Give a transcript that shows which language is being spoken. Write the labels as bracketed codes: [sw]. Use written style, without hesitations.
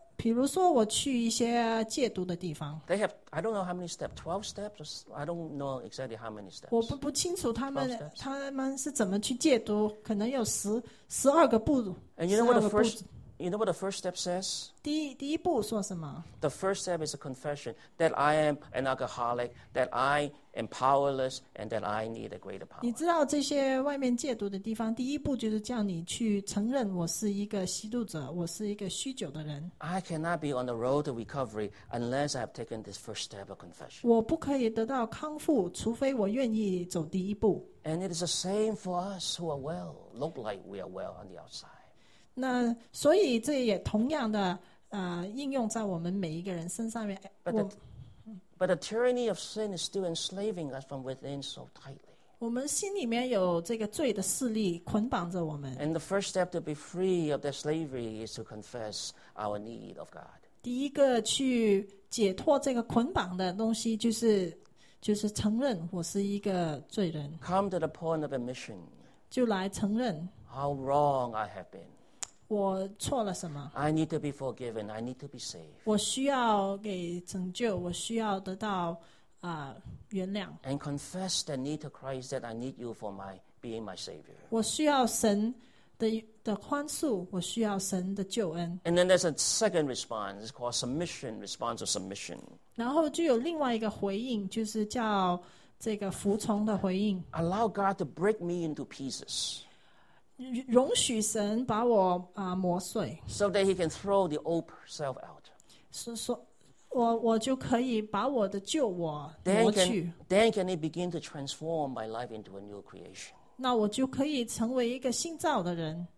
[zh] 比如说我去一些戒毒的地方。 [en] They have, I don't know how many steps, 12 steps, I don't know exactly how many steps. [zh] 我不清楚他们是怎么去戒毒，可能有12个步骤。 [en] And you know what the first step says? [zh] 第一步说什么？ [en] The first step is a confession that I am an alcoholic, that I am powerless, and that I need a greater power. [zh] 你知道这些外面戒毒的地方，第一步就是叫你去承认我是一个吸毒者，我是一个酗酒的人。 [en] I cannot be on the road to recovery unless I have taken this first step of confession. [zh] 我不可以得到康复，除非我愿意走第一步。 [en] And it is the same for us who are well, look like we are well on the outside. [zh] 那所以这也同样的应用在我们每一个人身上面。 [en] But the tyranny of sin is still enslaving us from within so tightly. [zh] 我们心里面有这个罪的势力捆绑着我们。 [en] And the first step to be free of that slavery is to confess our need of God. [zh] 第一个去解脱这个捆绑的东西就是承认我是一个罪人。 [en] Come to the point of admission. [zh] 就来承认。 [en] How wrong I have been. [zh] 我错了什么？ [en] I need to be forgiven. I need to be saved. [zh] 我需要给拯救，我需要得到原谅。 [en] And confess the need to Christ that I need you for my being my savior. [zh] 我需要神的宽恕，我需要神的救恩。 [en] And then there's a second response. It's called submission. Response of submission. [zh] 然后就有另外一个回应，就是叫这个服从的回应。 [en] Allow God to break me into pieces. [zh] 容许神把我磨碎 [en] so that he can throw the old self out. [zh] 我就可以把我的旧我磨去。 [en] Then can he begin to transform my life into a new creation? [zh] 那我就可以成为一个新造的人。